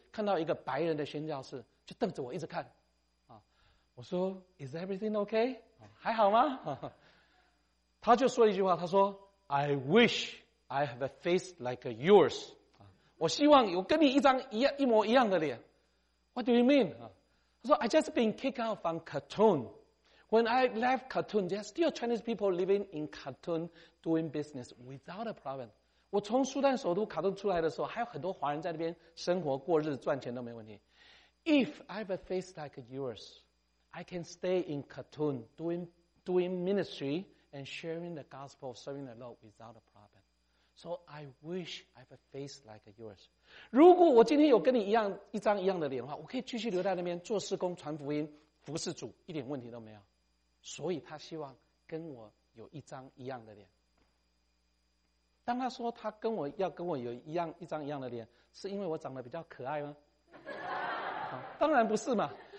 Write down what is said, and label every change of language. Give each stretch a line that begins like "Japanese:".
Chinese: 看到一个白人的宣教士就瞪着我一直看啊，我说
English: Is everything okay？
Chinese: 还好吗？他就说一句话，他说
English: I wish I have a face like yours，
Chinese: 我希望有跟你一张一模一样的脸。
English: What do you mean？
Chinese: 他说
English: I just been kicked out from Khartoum。 When I left Khartoum there are still Chinese people living in Khartoum doing business without a problem。
Chinese: 我从苏丹首都卡顿出来的时候，还有很多华人在那边生活、过日、赚钱都没问题。
English: If I have a face like yours, I can stay in Khartoum doing ministry and sharing the gospel, serving the Lord without a problem. So I wish I have a face like yours.
Chinese: 如果我今天有跟你一样一张一样的脸的话，我可以继续留在那边做事工、传福音、服侍主，一点问题都没有。所以他希望跟我有一张一样的脸。当他说他跟我要跟我有一样一张一样的脸，是因为我长得比较可爱吗？当然不是嘛。